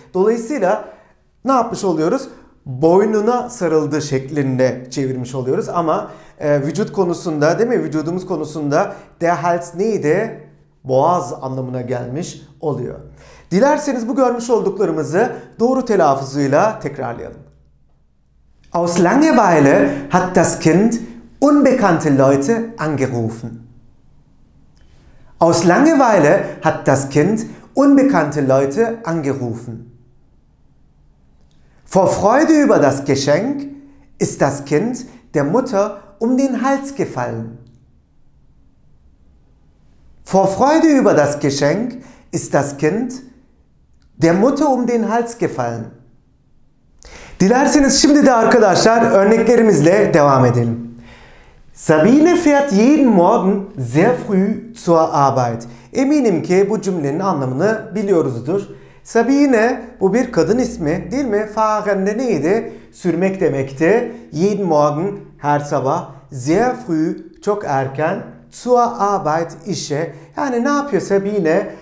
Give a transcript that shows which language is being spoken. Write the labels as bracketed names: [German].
[Turkish] Dolayısıyla ne yapmış oluyoruz? Boynuna sarıldı şeklinde çevirmiş oluyoruz ama vücut konusunda, değil mi? Vücudumuz konusunda der Hals neydi? Boğaz anlamına gelmiş oluyor. Dilerseniz bu görmüş olduklarımızı doğru telaffuzuyla tekrarlayalım. [German] Aus Langeweile hat das Kind unbekannte Leute angerufen. Aus Langeweile hat das Kind unbekannte Leute angerufen. Vor Freude über das Geschenk ist das Kind der Mutter den Hals gefallen. Vor Freude über das Geschenk ist das Kind der Mutter den Hals gefallen. [Turkish] Dilerseniz şimdi de arkadaşlar örneklerimizle devam edelim. [German] Sabine fährt jeden Morgen sehr früh zur Arbeit. [Turkish] Eminim ki bu cümlenin anlamını biliyoruzdur. Sabine, bu bir kadın ismi değil mi? Fahren de neydi? Sürmek demekti. [German] Jeden Morgen, [Turkish] her sabah. [German] Sehr früh, [Turkish] çok erken. [German] Zur Arbeit, [Turkish] işe. Yani ne yapıyor Sabine?